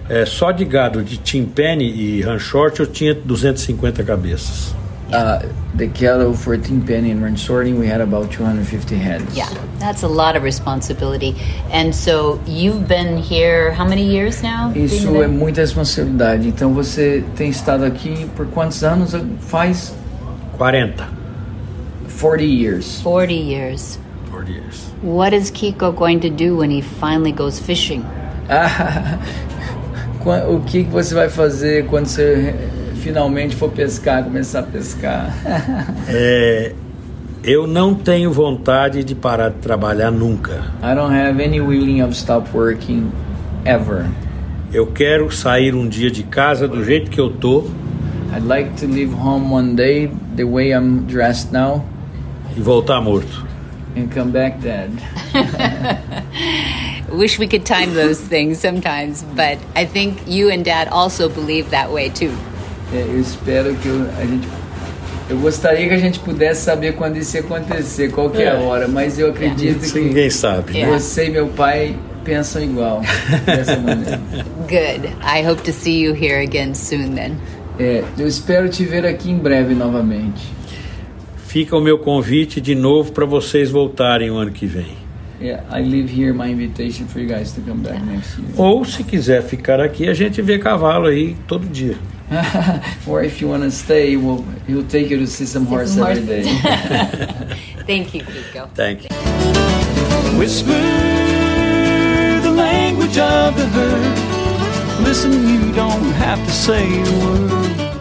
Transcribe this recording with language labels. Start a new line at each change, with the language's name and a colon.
Portuguese: Só de gado de timpene e ranchort eu tinha 250 cabeças.
English: The cattle for timpene and ranchorting we had about 250 heads. Yeah, that's a lot of responsibility. And so you've been here how many years now?
Portuguese: Isso é muita responsabilidade. Então você tem estado aqui por quantos anos faz? 40.
English: 40 years. 40 years. 40 years. What is Kiko going to do when he finally goes fishing?
Portuguese: O que você vai fazer quando você... finalmente for pescar, começar a pescar. Eu não tenho vontade de parar de trabalhar nunca.
English: I don't have any willing of stop working ever.
Portuguese: Eu quero sair um dia de casa do jeito que eu tô.
English: I'd like to leave home one day the way I'm dressed now.
Portuguese: E voltar morto.
English: And come back dead. Wish we could time those things sometimes, but I think you and Dad also believe that way too.
Portuguese: Eu espero que a gente... Eu gostaria que a gente pudesse saber quando isso ia acontecer, qual que é a hora, mas eu acredito que... Ninguém sabe, né? Você e meu pai pensam igual, dessa maneira.
English: Good. I hope to see you here again soon then.
Portuguese: É, eu espero te ver aqui em breve novamente. Fica o meu convite de novo para vocês voltarem o ano que vem.
English: Yeah, I leave here my invitation for you guys to come back next year.
Portuguese: Ou se quiser ficar aqui, a gente vê cavalo aí todo dia.
English: Or if you want to stay, he'll take you to see some horses every day. Thank you, Kiko. Thank you. Whisper the language of the herd. Listen, you don't have to say a word.